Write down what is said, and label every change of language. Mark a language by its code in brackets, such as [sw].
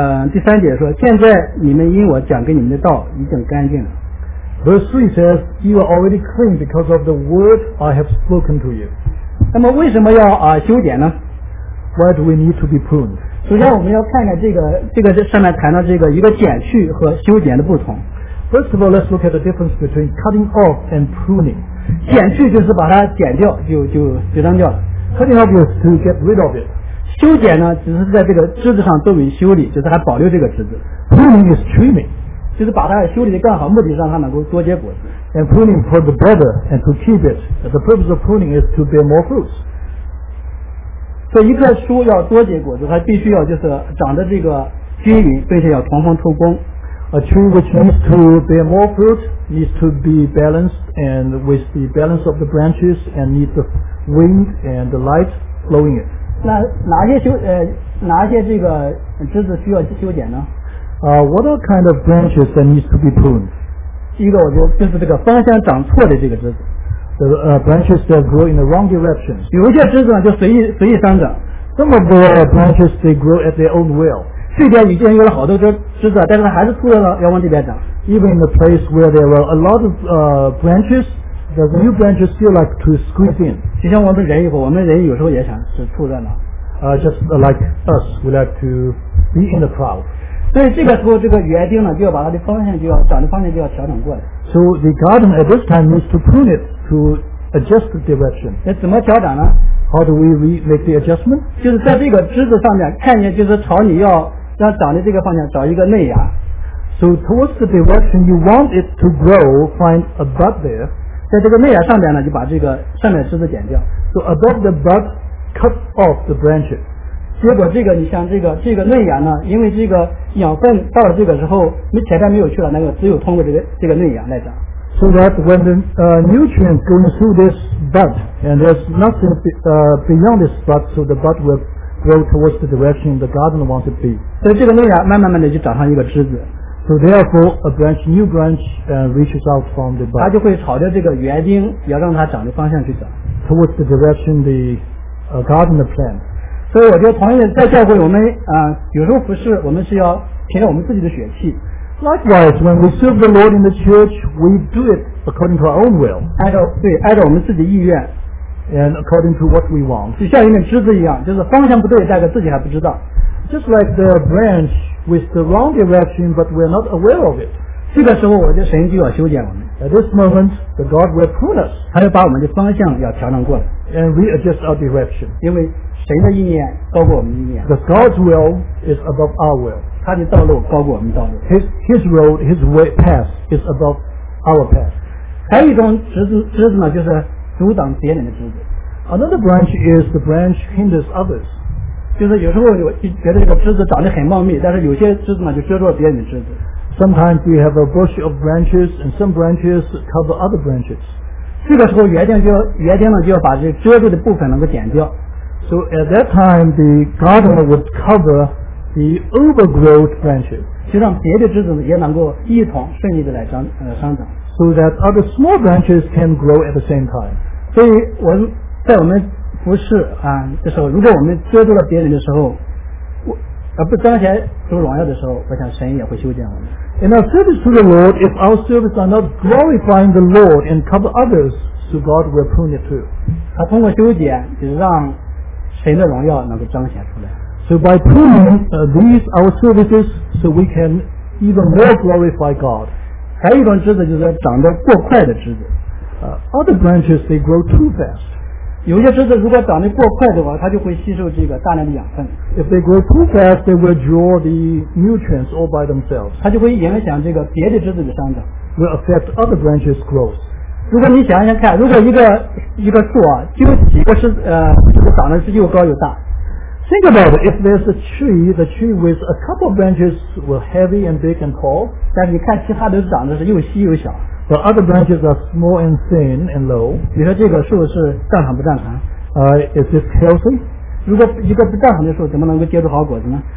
[zh] 第三节说，现在你们因我讲给你们的道已经干净了。 [en] Verse 3 says, You are already clean because of the word I have spoken to you. [zh] 那么为什么要修剪呢？ [en] Why do we need to be pruned? [zh] 首先我们要看看这个上面谈到这个一个剪去和修剪的不同。 [en] First of all, let's look at the difference between cutting off and pruning. [zh] 剪去就是把它剪掉，就扔掉了。 [en] Cutting off is to get rid of it. [zh] 修剪呢，只是在这个枝子上做为修理，就是还保留这个枝子。 [en] Pruning is trimming. [zh] 就是把它修理的更好，目的让它能够多结果子。 [en] And pruning for the better and to keep it. The purpose of pruning is to bear more fruits. [zh] 所以一棵树要多结果子，它必须要就是长得这个均匀，并且要通风透光。 [en] A tree which needs to bear more fruit needs to be balanced and with the balance of the branches and need the wind and the light blowing it. [zh] 那哪些这个枝子需要修剪呢？ [en] What are kind of branches that needs to be pruned? [zh] 第一个我觉得就是这个方向长错的这个枝子。 [en] The branches that grow in the wrong direction. [zh] 有一些枝子呢就随意生长。 [en] Some of the branches they grow at their own will. [zh] 这边已经有了好多枝子，但是它还是突然要往这边长。 [en] Even in the place where there were a lot of branches, the new branches still like to squeeze in. [zh] 就像我们人以后，我们人有时候也想是突然了。 [en] Just like us, we like to be in the crowd. [zh] 所以这个时候，这个园丁呢就要把它的方向就要长的方向就要调整过来。 [en] So the garden at this time needs to prune it. To adjust the direction. [zh] 那怎么调整呢？ [en] How do we make the adjustment? [zh] 就是在这个枝子上面看见，就是朝你要让长的这个方向找一个内芽。 [en] So towards the direction you want it to grow, find a bud there. [zh] 在这个内芽上面呢，就把这个上面枝子剪掉。 [en] So above the bud, cut off the branches. [zh] 结果这个你像这个内芽呢，因为这个养分到了这个时候，你前面没有去了，那个只有通过这个内芽来长。 [en] So that when the nutrients go through this bud, and there's nothing beyond this bud, so the bud will grow towards the direction the gardener wants it to be. [zh] 所以这个内芽慢慢慢的就长上一个枝子。 [en] So therefore, a branch, new branch, reaches out from the bud. [zh] 它就会朝着这个园丁要让它长的方向去长。 [en] Towards the direction the gardener planned. [zh] 所以我觉得同样在教会我们有时候服侍，我们是要凭着我们自己的血气。 [en] Likewise, when we serve the Lord in the church, we do it according to our own will. [zh] 按照我们自己意愿 [en] and according to what we want. [zh] 就像一根枝子一样，就是方向不对，大概自己还不知道。 [en] Just like the branch with the wrong direction, but we're not aware of it. [zh] 这个时候，我觉得神就要修剪我们。 [en] At this moment, the God will prune us. [zh] 他要把我们的方向要调整过来。 [en] And readjust our direction. [zh] 因为神的意念高过我们的意念。 [en] The God's will is above our will. [zh] 他的道路高过我们道路。 [en] His road, his way, path is above our path. [zh] 还有一种枝子呢，就是阻挡别人的枝子。 [en] Another branch is the branch hinders others. [zh] 就是有时候我觉得这个枝子长得很茂密，但是有些枝子呢就遮住了别人的枝子。 [en] Sometimes we have a bush of branches, and some branches cover other branches. [zh] 这个时候园丁呢就要把这遮住的部分能够剪掉。 [en] So at that time, the gardener would cover the overgrowth branches. [zh] 就让别的枝子也能够一同顺利的来生长。 [en] So that other small branches can grow at the same time. [zh] 所以我们在我们服侍啊的时候，如果我们遮住了别人的时候，不彰显主荣耀的时候，我想神也会修剪我们。 [en] In our service to the Lord, if our service are not glorifying the Lord and cover others, so God will prune it too. [zh] 他通过修剪，就是让神的荣耀能够彰显出来。 [en] So by pruning these our services, so we can even more glorify God. [zh] 还有一种枝子就是长得过快的枝子。 [en] Other branches they grow too fast. [zh] 有些枝子如果长得过快的话，它就会吸收这个大量的养分。 [en] If they grow too fast, they will draw the nutrients all by themselves. [zh] 它就会影响这个别的枝子的生长。 [en] Will affect other branches' growth. [zh] 如果你想想看，如果一个树啊，就几个枝子长得是又高又大。 [en] Think about it. If there's a tree, the tree with a couple of branches were heavy and big and tall. [zh] 但是你看其他都长得是又细又小。 [en] The other branches are small and thin and low. [zh] 你说这个树是正常不正常？ [en] Is it healthy? [zh] 如果一个不正常的树，怎么能够结出好果子呢？